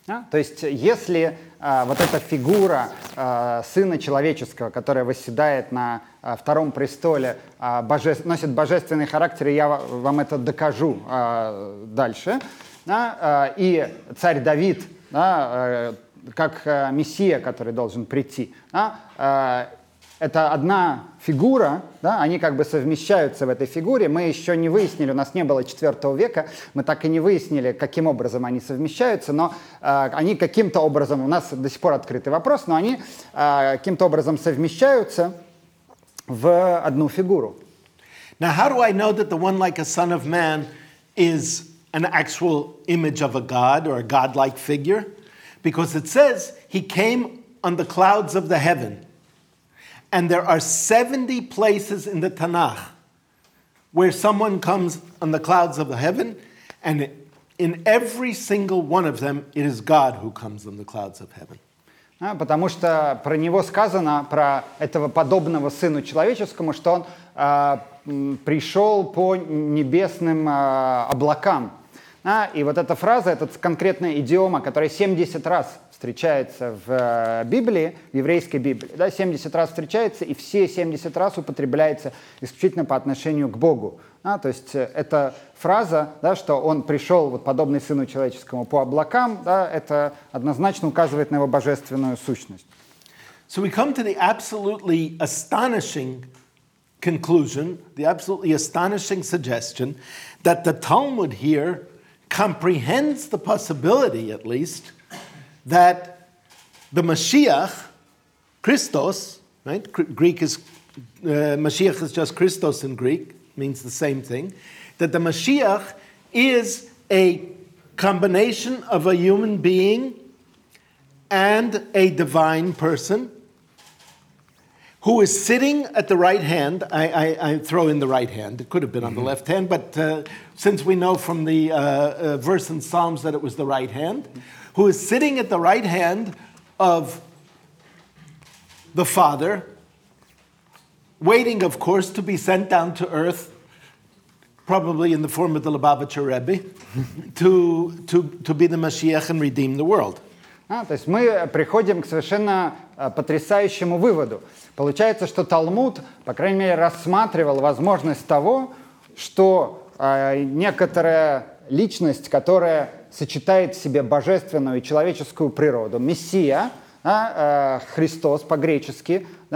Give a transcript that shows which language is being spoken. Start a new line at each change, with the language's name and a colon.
Russian: То есть, если вот эта фигура сына человеческого, которая восседает на втором престоле, носит божественный характер, и я вам это докажу дальше, да, и царь Давид, да, как мессия, который должен прийти, да, это одна фигура, да, они как бы совмещаются в этой фигуре. Мы еще не выяснили, у нас не было 4 века, мы так и не выяснили, каким образом они совмещаются, но они каким-то образом, у нас до сих пор открытый вопрос, но они каким-то образом совмещаются в одну фигуру.
English: Now, how do I know that the one like a son of man is an actual image of a god or a god-like figure? Because it says he came on the clouds of the heaven. And there are 70 places in the Tanakh where someone comes on the clouds of the heaven, and in every single one of them, it is God who comes on the clouds of heaven.
Russian: Потому что про него сказано, про этого подобного сыну человеческому, что он пришел по небесным облакам. И вот эта фраза, этот конкретный идиома, который 70 раз встречается в Библии, в еврейской Библии, да, 70 раз встречается, и все 70 раз употребляется исключительно по отношению к Богу. Да, то есть эта фраза, да, что он пришел, вот, подобный сыну человеческому, по облакам, да, это однозначно указывает на его божественную сущность.
English: So we come to the absolutely astonishing conclusion, the absolutely astonishing suggestion, that the Talmud here comprehends the possibility, at least, that the Mashiach, Christos, right? Greek is, Mashiach is just Christos in Greek, means the same thing, that the Mashiach is a combination of a human being and a divine person who is sitting at the right hand. I throw in the right hand. It could have been on the left hand, but since we know from the verse in Psalms that it was the right hand, who is sitting at the right hand of the Father, waiting, of course, to be sent down to earth, probably in the form of the Lubavitcher Rebbe, to be the Mashiach and redeem the world.
Russian: А, то есть мы приходим к совершенно потрясающему выводу. Получается, что Талмуд, по крайней мере, рассматривал возможность того, что некоторая личность, которая сочетает в себе божественную и человеческую природу, Мессия, Христос по-гречески,